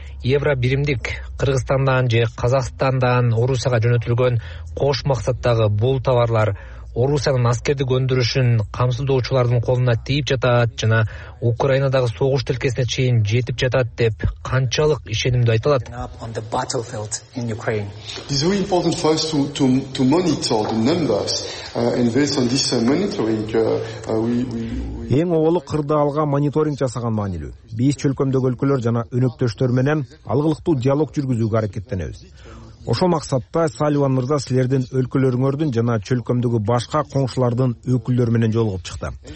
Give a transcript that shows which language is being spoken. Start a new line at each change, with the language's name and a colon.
Kyrgyz: Евро биримдик Кыргызстандан же Казакстандан Орусияга жөнөтүлгөн кош максаттагы бул товарлар Орусиянын аскердик өндүрүшүн камсыздоочулардын колуна тийип жатат жана Украинадагы согуш тилкесине чейин жетип жатат деп канчалык ишенимдүү айта алат?
English: It's very important for us to monitor the numbers and based on this monitoring
Kyrgyz: Эң оолу кырдаалга мониторинг жасаган маанилүү. Биз чөлкөмдөгү өлкөлөр жана өнөктөштөр менен алгылыктуу диалог жүргүзүүгө аракеттенебиз. Ошол максатта Салливан мырза силердин өлкөлөрүңөрдүн жана чөлкөмдөгү башка коңшулардын өкүлдөрү менен жолугуп чыкты.